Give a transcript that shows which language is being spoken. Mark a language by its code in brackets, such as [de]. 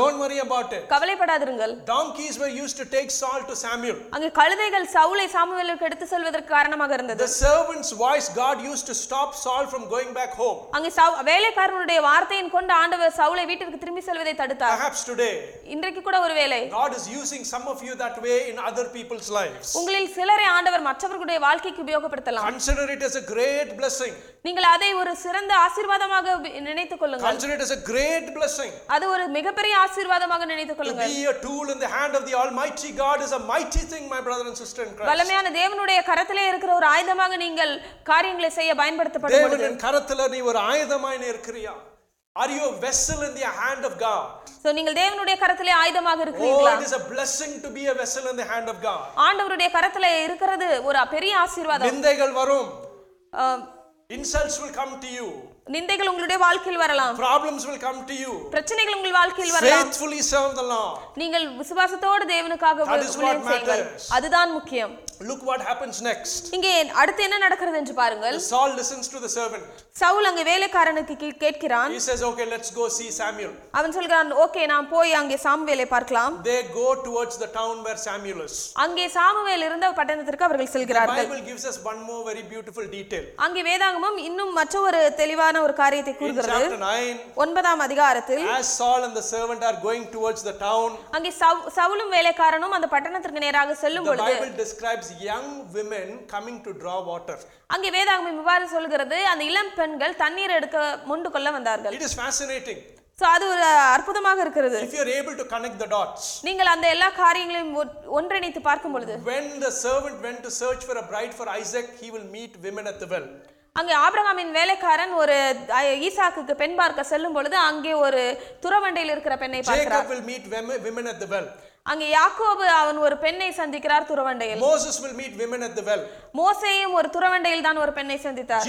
[en] Don't worry about it. [ta] கவலைப்படாதீர்கள். [en] Donkeys were used to take Saul to Samuel. [ta] அங்கே கழுதைகள் சவுலை சாமுவேலுக்கு எடுத்து செல்வதற்கு காரணமாக இருந்தது. [en] The servant's voice God used to stop Saul from going back home. [ta] அங்கே வேலைக்காரனுடைய வார்த்தையின் கொண்டு ஆண்டவர் சவுலை வீட்டிற்கு திரும்பி செல்வதை தடுத்தார். [en] Perhaps today. [ta] இன்றைக்கு கூட ஒருவேளை. [en] God is using some of you that way in other people's lives. [ta] உங்களில் சிலரை ஆண்டவர் மற்றவர்களுடைய வாழ்க்கைக்கு உபயோகப்படுத்தலாம். [en] Consider it as a great blessing. [ta] நீங்கள் அதை ஒரு சிறந்த ஆசீர்வாதமாக நினைத்துக் கொள்ளுங்கள். [en] Consider it as a great blessing. [ta] அது ஒரு மிகப்பெரிய ஆசீர்வாதமாக நினைத்துக் கொள்ளுங்கள். [en] To be a tool in the hand of the Almighty God is a mighty thing, my brother and sister in Christ. [ta] வல்லமையான தேவனுடைய கரத்திலே இருக்கிற ஒரு ஆயுதமாக நீங்கள் காரியங்களை செய்ய பயன்படுத்தப்படும்போது, தேவனுடைய கரத்திலே நீ ஒரு ஆயுதமாய் நிற்கிறாய். [en] Are you a vessel in the hand of God? [ta] So நீங்கள் தேவனுடைய கரத்திலே ஆயுதமாக இருக்கிறீர்களா? [en] Oh, it is a blessing to be a vessel in the hand of God. [ta] ஆண்டவருடைய கரத்திலே இருக்கிறது ஒரு பெரிய ஆசீர்வாதம். நிந்தைகள் வரும். [en] Insults will come to you. [ta] நிந்தைகள் உங்களுடைய வாழ்க்கையில் வரலாம். [en] Problems will come to you. [ta] பிரச்சனைகள் உங்கள் வாழ்க்கையில் வரலாம். [en] Faithfully serve the Lord. [ta] நீங்கள் விசுவாசத்தோடு தேவனுக்காக ஊழியம் செய்வீர்கள். அதுதான் முக்கியம். [en] Look what happens next. [ta] இங்கே அடுத்து என்ன நடக்கிறது என்று பாருங்கள். [en] Saul listens to the servant. [ta] Saul அங்க வேலைக்காரனுக்கு கேட்கிறான். [en] He says okay, let's go see Samuel. [ta] அவன் சொல்றான், ஓகே நான் போய் அங்கே சாமுவேலை பார்க்கலாம். [en] They go towards the town where Samuel is. [ta] அங்கே சாமுவேல் இருந்த பட்டணத்திற்கு அவர்கள் செல்கிறார்கள். [en] The Bible gives us one more very beautiful detail. [ta] அங்கே வேதாகமம் இன்னும் மற்றொரு தெளிவான ஒரு காரியத்தை கூறுகிறது. ஒன்பதாம் அதிகாரத்தில் [en] As Saul and the servant are going towards the town. [ta] அங்கே சவுலும் வேலைக்காரனும் அந்த பட்டணத்திற்கு நேராக செல்லும் பொழுது [en] The Bible describes young women coming to draw water. [ta] அங்கே வேதாகமம் இவ்வாறு சொல்கிறது, அந்த இளம் பெண்கள் தண்ணீர் எடுக்க முண்டு கொள்ள வந்தார்கள். [en] It is fascinating. [ta] சோ அது ஒரு அற்புதமாக இருக்கிறது. [en] If you are able to connect the dots. [ta] நீங்கள் அந்த எல்லா காரியங்களையும் ஒன்றிணைத்து பார்க்கும் பொழுது [en] When the servant went to search for a bride for Isaac, he will meet women at the well. [ta] அங்கே ஆபிரகாமின் வேலைக்காரன் ஒரு ஈசாக்குக்கு பெண் பார்க்க செல்லும் பொழுது அங்கே ஒரு துறவண்டையில் இருக்கிற பெண்ணை பார்க்கிறார். [en] Jacob will meet women at the well. [ta] அங்கே யாக்கோபு அவன் ஒரு பெண்ணை சந்திக்கிறார் துறவண்டையில். [en] Moses will meet women at the well. [ta] மோசேயும் ஒரு துறவண்டையில் தான் ஒரு பெண்ணை சந்தித்தார்.